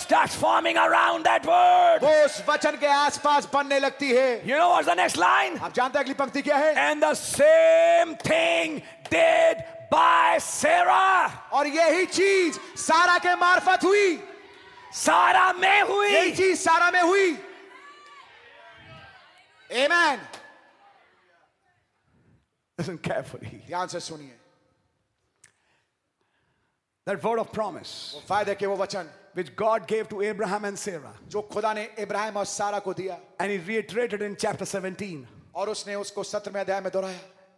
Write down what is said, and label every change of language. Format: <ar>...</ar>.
<en>starts forming around that word.</en> <hi>वो उस वचन के आसपास बनने लगती है</hi> <en>You know what's the next line?</en> <hi>आप जानते हैं अगली पंक्ति क्या है</hi> <en>And the same thing did by Sarah.</en> <hi>और यही चीज सारा के मार्फत हुई सारा में हुई यही चीज सारा में हुई Amen.</hi> <en>Listen carefully. The answer</en> <hi>सुनिए.</hi> <en>That word of promise.</en> <hi>वो फायदे के वो वचन.</hi> <en>Which God gave to Abraham and Sarah.</en> <hi>जो खुदा ने इब्राहिम और सारा को दिया.</hi> <en>And He reiterated in chapter 17.</en> <hi>और उसने उसको 17वें अध्याय में दोहराया.</hi>